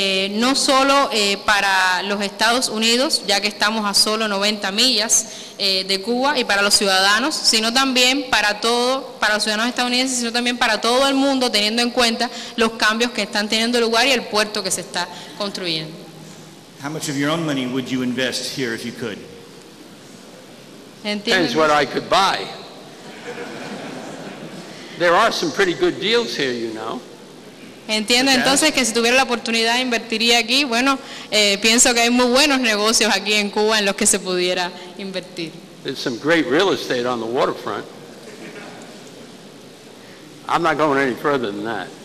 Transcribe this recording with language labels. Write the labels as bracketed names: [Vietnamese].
[Spanish] no solo para los Estados Unidos, ya que estamos a solo 90 millas de Cuba y para los ciudadanos, sino también para todo, para los ciudadanos estadounidenses, sino también para todo el mundo, teniendo en cuenta los cambios que están teniendo lugar y el puerto que se está construyendo. [English] How much of your own money would you invest here if you could? Depends what I could buy. There are some pretty good deals here, you know. [Spanish] Entiendo entonces que si tuviera la oportunidad invertiría aquí. Bueno, pienso que hay muy buenos negocios aquí en Cuba en los que se pudiera invertir. [English] There's some great real estate on the waterfront. I'm not going any further than that.